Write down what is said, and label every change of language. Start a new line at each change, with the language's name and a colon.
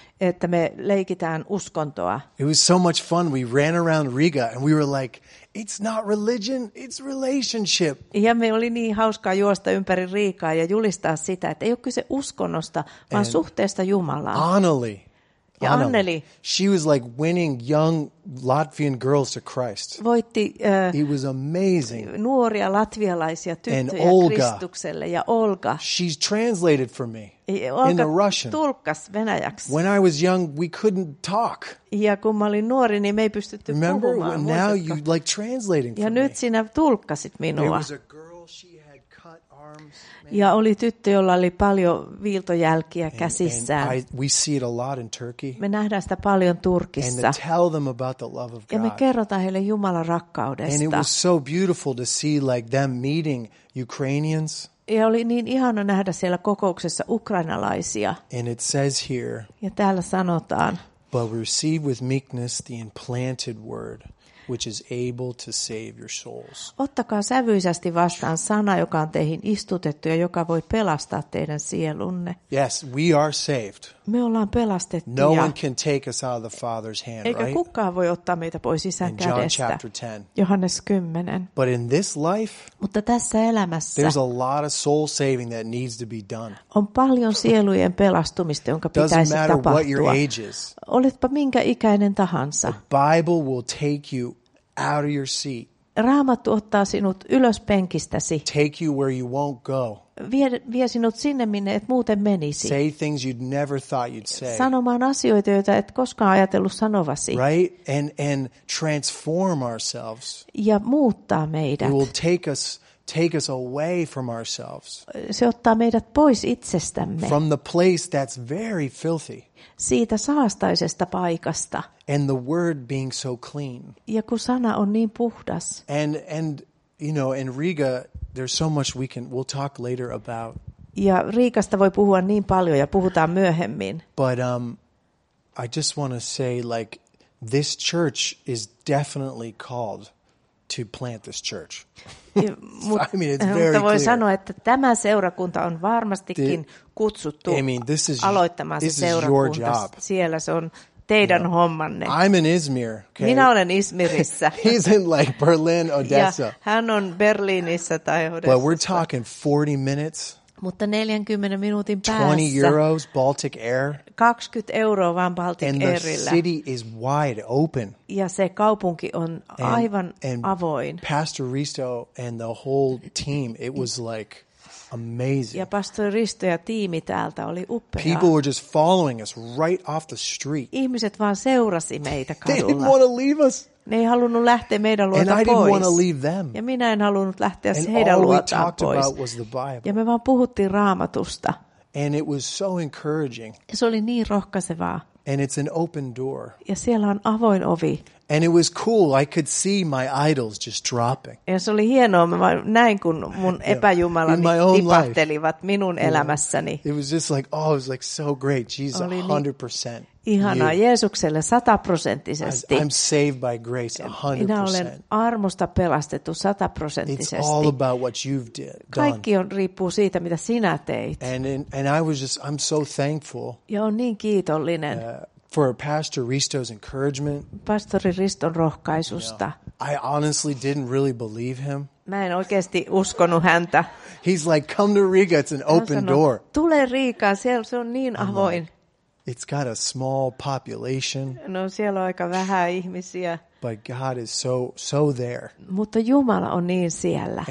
Finnish: Että me leikitään uskontoa.
English: It was so much fun. We ran around Riga and we were like, it's not religion, it's relationship.
Finnish: Ja me oli niin hauskaa juosta ympäri Riikaa ja julistaa sitä, että ei ole kyse uskonnosta, vaan suhteesta Jumalaan.
English: Anneli.
Finnish: Ja Anneli.
English: She was like winning young Latvian girls to Christ.
Finnish: Voitti
English: it was amazing.
Finnish: Nuoria latvialaisia tyttöjä Kristukselle ja Olga.
English: She's translated for me. In the Russian.
Finnish: Tulkkas venäjäksi.
English: When I was young, we couldn't talk.
Finnish: Ja kun mä olin nuori, niin me ei pystytty puhumaan.
English: Remember, now you like translating for me.
Finnish: Ja nyt sinä tulkkasit minua.
English: There was a girl, she had cut arms.
Finnish: Ja oli tyttö, jolla oli paljon viiltojälkiä käsissään.
English: We see it a lot in Turkey.
Finnish: Me nähdään sitä paljon Turkissa.
English: And tell them about the love of God.
Finnish: Ja me kerrotaan heille Jumalan rakkaudesta.
English: And it was so beautiful to see like them meeting Ukrainians.
Finnish: Ja oli niin ihana nähdä siellä kokouksessa ukrainalaisia.
English: And it says here,
Finnish: ja täällä sanotaan.
English: But receive with meekness the implanted word, which is able to save your souls.
Finnish: Ottakaa sävyisesti vastaan sana, joka on teihin istutettu ja joka voi pelastaa teidän sielunne.
English: Yes, we are saved.
Finnish: Me ollaan pelastettu.
English: No one can take us out of the Father's hand,
Finnish: eikä
English: right?
Finnish: Eikä kukaan voi ottaa meitä pois isän kädestä.
English: John chapter 10.
Finnish: Johannes 10.
English: But in this life,
Finnish: mutta tässä elämässä,
English: there's a lot of soul saving that needs to be done.
Finnish: On paljon sielujen pelastumista, jonka pitäisi tapahtua.
English: Doesn't matter what your age is.
Finnish: Oletpa minkä ikäinen tahansa.
English: The Bible will take you out of your seat.
Finnish: Raamattu ottaa sinut ylös penkistäsi.
English: Take you where you won't go.
Finnish: Vie sinut sinne, minne et muuten menisi.
English: Say things you'd never thought you'd say.
Finnish: Sanomaan asioita, joita et koskaan ajatellut sanovasi.
English: Right? And transform ourselves.
Finnish: Ja muuttaa meidät.
English: It will take us take us away from ourselves.
Finnish: Se ottaa meidät pois itsestämme.
English: From the place that's very filthy.
Finnish: Siitä saastaisesta paikasta.
English: And the word being so clean.
Finnish: Ja kun sana on niin puhdas.
English: And you know, in Riga there's so much we'll talk later about.
Finnish: Ja Riikasta voi puhua niin paljon ja puhutaan myöhemmin.
English: But I just want to say like this church is definitely called to plant this church. I mean, it's very
Finnish: voi sanoa, että tämä seurakunta on varmastikin kutsuttu aloittamaan seurakunta. Siellä se on teidän hommanne.
English: I'm in Izmir. Okay?
Finnish: Minä olen Izmirissä.
English: He's in like Berlin, Odessa.
Finnish: Ja hän on Berliinissä tai Odessa.
English: But we're talking 40 minutes.
Finnish: Mutta 40 minuutin päässä.
English: 20 euros Baltic Air.
Finnish: 20 euroa vaan Baltic
English: and
Finnish: Airillä.
English: The city is wide open.
Finnish: Ja se kaupunki on aivan avoin.
English: Pastor Risto and the whole team, it was like amazing.
Finnish: Ja Pastor Risto ja tiimi täältä oli upea.
English: People were just following us right off the street.
Finnish: Ihmiset vaan seurasi meitä kadulla.
English: They didn't want to leave us.
Finnish: Ne ei halunnut lähteä meidän luota
English: and
Finnish: pois.
English: I didn't want to leave them.
Finnish: Ja minä en halunnut lähteä heidän luotaan pois.
English: About was the Bible.
Finnish: Ja me vaan puhuttiin Raamatusta.
English: And it was so encouraging.
Finnish: Ja se oli niin rohkaisevaa.
English: And it's an open door.
Finnish: Ja siellä on avoin ovi.
English: And it was cool. I could see my idols just dropping.
Finnish: Ja se oli hienoa. Mä näin, kun mun epäjumalani tipahtelivat minun elämässäni.
English: It was just like, oh, it was like so great. Jesus, 100%.
Finnish: Ihanaa Jeesukselle 100%.
English: I'm saved by grace 100%.
Finnish: Minä olen armosta pelastettu 100%.
English: It's all about what you've done.
Finnish: Kaikki on riippuu siitä, mitä sinä teit.
English: And I was just, I'm so thankful.
Finnish: Ja on niin kiitollinen.
English: For Pastor Risto's encouragement.
Finnish: Pastori Riston rohkaisusta.
English: I honestly didn't really believe him.
Finnish: Mä en oikeasti uskonut häntä.
English: He's like, come to Riga, it's an open door.
Finnish: Tule Riikaan, siellä se on niin avoin.
English: It's got a small population.
Finnish: No, siellä on aika vähän ihmisiä.
English: But God is so there.
Finnish: Mutta Jumala on niin siellä.